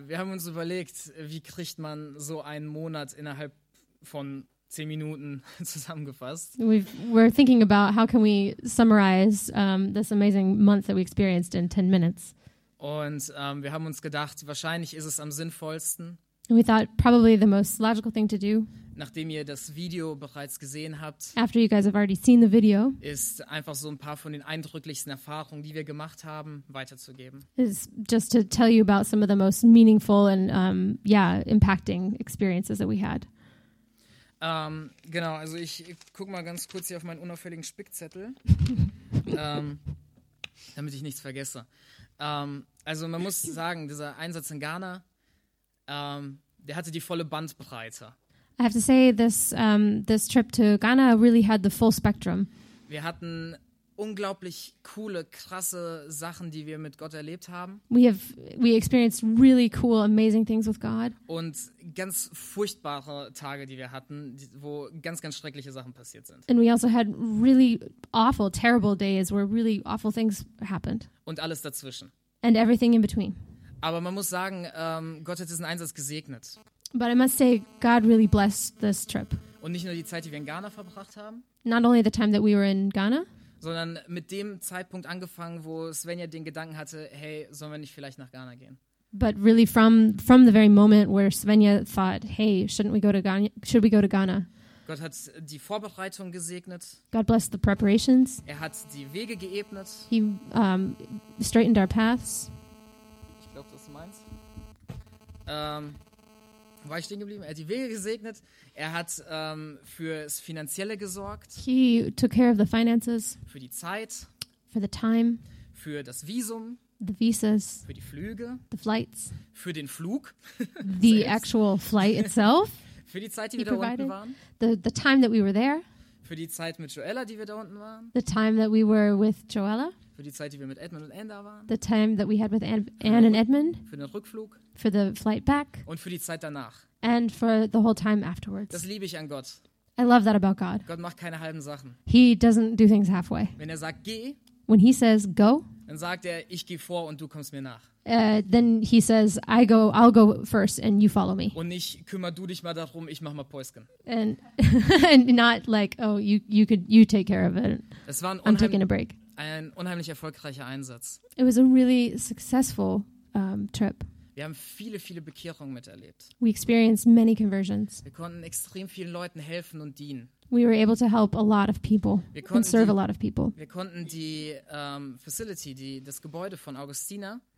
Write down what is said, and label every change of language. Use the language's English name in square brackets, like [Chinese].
[German] wir haben uns überlegt, wie kriegt man so einen Monat innerhalb von 10 Minuten zusammengefasst. [English] We're thinking about how can we summarize this amazing month that we experienced in 10 minutes. [German] Und wir haben uns gedacht, wahrscheinlich ist es am sinnvollsten. [English] We thought probably the most logical thing to do. [German] Nachdem ihr das Video bereits gesehen habt. [English] After you guys have already seen the video. [German] Ist einfach so ein paar von den eindrücklichsten Erfahrungen, die wir gemacht haben, weiterzugeben. [English] Is just to tell you about some of the most meaningful and impacting experiences that we had. [German] Genau, also ich guck mal ganz kurz hier auf meinen unauffälligen Spickzettel, damit ich nichts vergesse. Also man muss sagen, dieser Einsatz in Ghana, der hatte die volle Bandbreite. [English] I have to say, this trip to Ghana really had the full spectrum. [German] Wir hatten unglaublich coole, krasse Sachen, die wir mit Gott erlebt haben. [English] We experienced really cool, amazing things with God. [German] Und ganz furchtbare Tage, die wir hatten, wo ganz, ganz schreckliche Sachen passiert sind. [English] And we also had really awful, terrible days where really awful things happened. [German] Und alles dazwischen. [English] And everything in between. [German] Aber man muss sagen, Gott hat diesen Einsatz gesegnet. [English] But I must say, God really blessed this trip. [German] Und nicht nur die Zeit, die wir in Ghana verbracht haben. [English] Not only the time that we were in Ghana. [German] Sondern mit dem Zeitpunkt angefangen, wo Svenja den Gedanken hatte, hey, sollen wir nicht vielleicht nach Ghana gehen? [English] But really from the very moment where Svenja thought, hey, shouldn't we go to Ghana? Should we go to Ghana? [German] Gott hat die Vorbereitung gesegnet. [English] God blessed the preparations. [German] Er hat die Wege geebnet. [English] He straightened our paths. [German] Ich glaube, das ist meins. War ich stehen geblieben? Er hat die Wege gesegnet. Er hat fürs Finanzielle gesorgt. [English] He took care of the finances. [German] Für die Zeit. [English] For the time. [German] Für das Visum. [English] The visas. [German] Für die Flüge. [English] The flights. [German] Für den Flug. [English] The actual flight itself. [German] Für die Zeit, die wir da unten waren. [English] The time that we were there. [German] Für die Zeit mit Joella, die wir da unten waren. [English] The time that we were with Joella. [German] Für die Zeit, die wir mit Edmund und Anne da waren. [English] The time that we had with Anne and Edmund. [German] Für den Rückflug. [English] For the flight back. [German] Und für die Zeit danach. [English] And for the whole time afterwards. [German] Das liebe ich an Gott. [English] I love that about God. [German] Gott macht keine halben Sachen. [English] He doesn't do things halfway. [German] Wenn er sagt, geh. [English] When he says, go. [German] Dann sagt er, ich gehe vor und du kommst mir nach. [English] Then he says, I'll go first and you follow me. [German] Und nicht, kümmer du dich mal darum, ich mach mal Päusken. [English] And not like, oh, you take care of it. [German] Es war [English] I'm taking a break. [German] Ein unheimlich erfolgreicher Einsatz. [English] It was a really successful trip. [German] Wir haben viele, viele Bekehrungen miterlebt. [English] We experienced many conversions. [German] Wir konnten extrem vielen Leuten helfen und dienen. [English] We were able to help a lot of people and serve a lot of people. [German] Wir konnten die Facility, das Gebäude von Augustina.